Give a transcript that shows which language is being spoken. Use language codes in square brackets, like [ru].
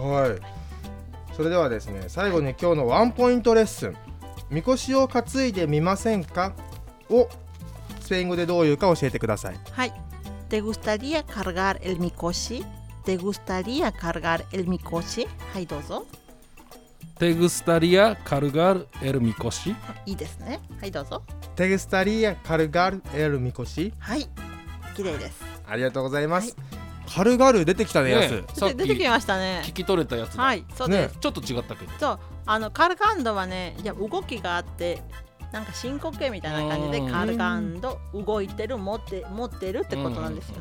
[ja] はい、それではですね、最後に今日のワンポイントレッスン、みこしを担いでみませんかをスペイン語でどういうか教えてください。 [es] はい、te gustaría cargar el mi coche? te gustaría cargar el mi coche? [ja] はい、どうぞ。 [es] Te gustaría cargar el mikoshi? [ja] いいですね。はい、どうぞ。 [es] Te gustaría cargar el mikoshi? [ja] はい、綺麗です。ありがとうございます。はい、軽々出てきたね、やつ。ね、さっき出てきましたね。聞き取れたやつだ。はい、そうです、ね。ちょっと違ったけど。そう、あの、カルガンドはね、いや、動きがあって、なんか深呼吸みたいな感じで、カルガンド、動いてる、持ってるってことなんですよ。